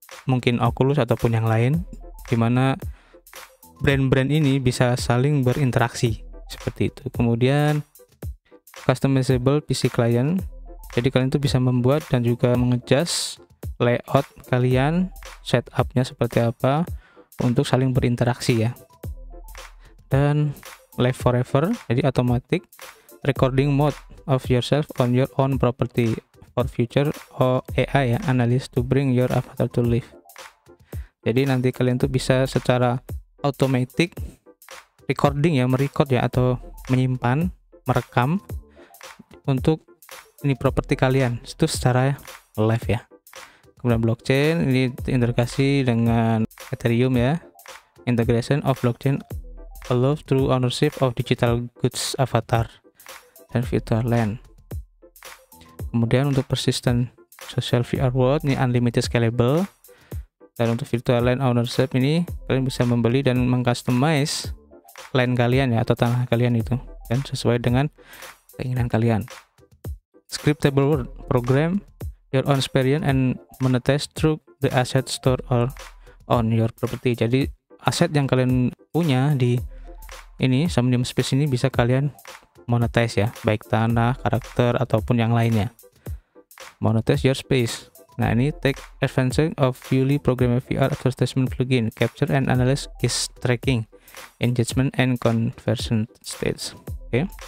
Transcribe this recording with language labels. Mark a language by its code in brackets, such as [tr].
[id] Mungkin Oculus ataupun yang lain, di mana brand-brand ini bisa saling berinteraksi seperti itu. Kemudian customizable PC client. Jadi kalian tuh bisa membuat dan juga mengejas layout kalian, setupnya seperti apa untuk saling berinteraksi ya. Dan live forever, jadi [en] automatic recording mode of yourself on your own property for future AI ya, analyst to bring your avatar to life. [id] Jadi nanti kalian tuh bisa secara automatic recording ya, merecord ya, atau menyimpan, merekam untuk ini properti kalian itu secara live ya. Kemudian blockchain ini integrasi dengan Ethereum ya. [en] Integration of blockchain allows true ownership of digital goods avatar [id] dan virtual land. Kemudian untuk persistent social VR world ini unlimited scalable. Dan untuk virtual land ownership ini kalian bisa membeli dan mengcustomize land kalian ya, atau tanah kalian itu dan sesuai dengan keinginan kalian. [en] Scriptable world, program your own experience and monetize through the asset store or on your property. [id] Jadi aset yang kalian punya di ini Somnium Space ini bisa kalian monetize ya, baik tanah, karakter, ataupun yang lainnya. [en] Monetize your space. [id] Nah, ini [en] take advantage of fully programmable VR advertisement plugin, capture and analyze guest tracking, engagement and conversion states. Oke. Okay.